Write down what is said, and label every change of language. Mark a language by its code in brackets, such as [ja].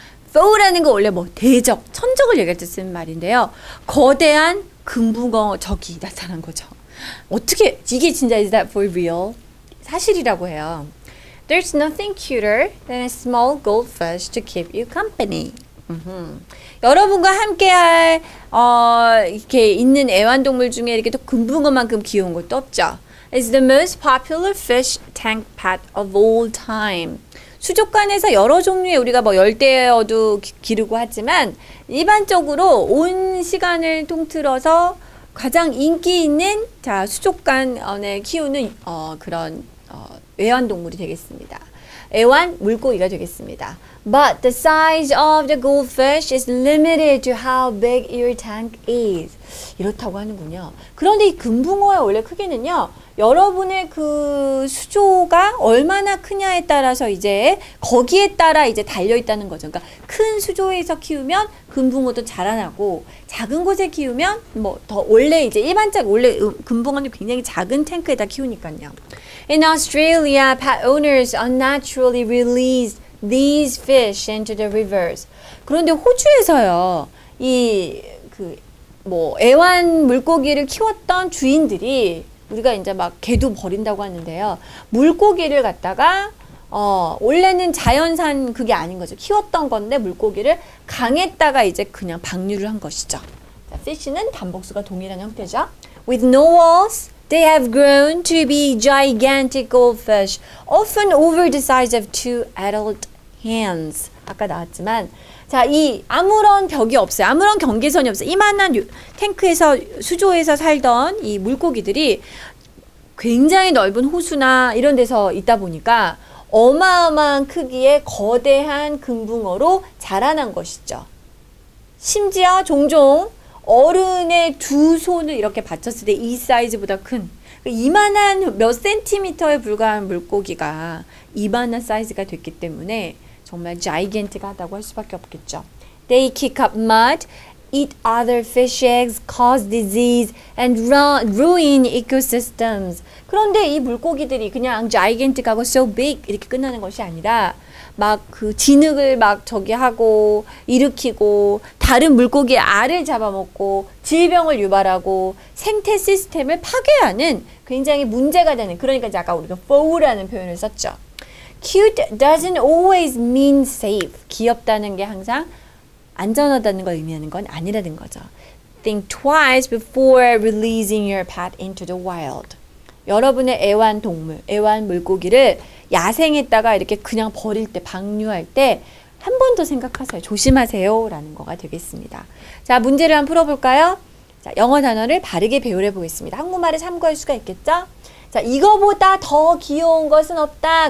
[ko] Foe라는 거 원래 뭐 대적, 천적을 얘기할 때 쓰는 말인데요. 거대한 금붕어 적이 나타난 거죠. 어떻게 이게 진짜 [en] is that for real? [ko] 사실이라고 해요. [en] There's nothing cuter than a small goldfish to keep you company. Mm-hmm. [ko] 여러분과 함께할 이렇게 있는 애완동물 중에 이렇게 또 금붕어만큼 귀여운 것도 없죠. [en] It's the most popular fish tank pet of all time. [ko] 수족관에서 여러 종류의 우리가 뭐 열대어도 기르고 하지만 일반적으로 온 시간을 통틀어서 가장 인기 있는 자 수족관에 키우는 그런 애완동물이 되겠습니다. 애완 물고기가 되겠습니다. [en] But the size of the goldfish is limited to how big your tank is. [ko] 이렇다고 하는군요. 그런데 이 금붕어의 원래 크기는요. 여러분의 그 수조가 얼마나 크냐에 따라서 이제 거기에 따라 이제 달려있다는 거죠. 그러니까 큰 수조에서 키우면 금붕어도 자라나고 작은 곳에 키우면 뭐 더 원래 이제 일반적 원래 금붕어는 굉장히 작은 탱크에다 키우니까요. [en] In Australia, pet owners unnaturally release these fish into the rivers. [ko] 그런데 호주에서요, 이 그 뭐 애완 물고기를 키웠던 주인들이 우리가 이제 막 개도 버린다고 하는데요. 물고기를 갖다가 원래는 자연산 그게 아닌 거죠. 키웠던 건데 물고기를 강에다가 이제 그냥 방류를 한 것이죠. 자, fish는 단복수가 동일한 형태죠. [en] With no walls, they have grown to be gigantic goldfish, often over the size of two adult hands. [ko] 아까 나왔지만 자, 이 아무런 벽이 없어요. 아무런 경계선이 없어요. 이만한 탱크에서 수조에서 살던 이 물고기들이 굉장히 넓은 호수나 이런 데서 있다 보니까 어마어마한 크기의 거대한 금붕어로 자라난 것이죠. 심지어 종종 어른의 두 손을 이렇게 받쳤을 때 이 사이즈보다 큰 이만한 몇 센티미터에 불과한 물고기가 이만한 사이즈가 됐기 때문에 정말 gigantic하다고 할 수밖에 없겠죠. [en] They kick up mud, eat other fish eggs, cause disease, and ruin ecosystems. [ko] 그런데 이 물고기들이 그냥 gigantic하고 [en] so big [ko] 이렇게 끝나는 것이 아니라 막 그 진흙을 막 저기 하고 일으키고 다른 물고기의 알을 잡아먹고 질병을 유발하고 생태 시스템을 파괴하는 굉장히 문제가 되는 그러니까 이제 아까 우리가 foe라는 표현을 썼죠. [en] Cute doesn't always mean safe. [ko] 귀엽다는 게 항상 안전하다는 걸 의미하는 건 아니라는 거죠. [en] Think twice before releasing your pet into the wild. [ko] 여러분의 애완동물, 애완물고기를 야생에다가 이렇게 그냥 버릴 때, 방류할 때 한 번 더 생각하세요. 조심하세요. 라는 거가 되겠습니다. 자, 문제를 한번 풀어볼까요? 자, 영어 단어를 바르게 배우려 보겠습니다. 한국말을 참고할 수가 있겠죠? 자, 이거보다 더 귀여운 것은 없다.